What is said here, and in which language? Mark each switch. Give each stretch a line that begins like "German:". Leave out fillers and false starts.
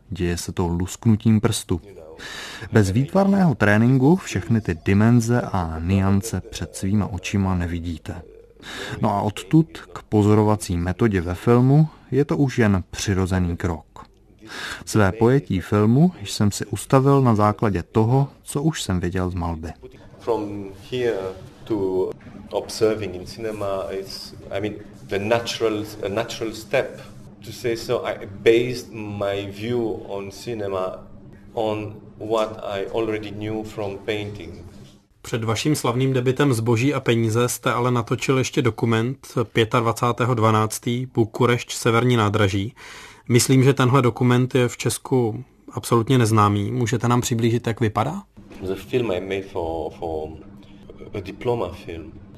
Czech: Děje se to lusknutím prstu. Bez výtvarného tréninku všechny ty dimenze a niance před svýma očima nevidíte. No a odtud k pozorovací metodě ve filmu je to už jen přirozený krok. Své pojetí filmu jsem si ustavil na základě toho, co už jsem viděl z malby.
English: From here to observing in cinema is, I mean, the natural step to say so. I based my view on cinema on what I already knew from painting.
Czech: Před vaším slavným debutem Zboží a peníze jste ale natočil ještě dokument 25.12. Bukurešť, Severní nádraží. Myslím, že tenhle dokument je v Česku absolutně neznámý. Můžete nám přiblížit, jak vypadá?
English: The film I made for a diploma film.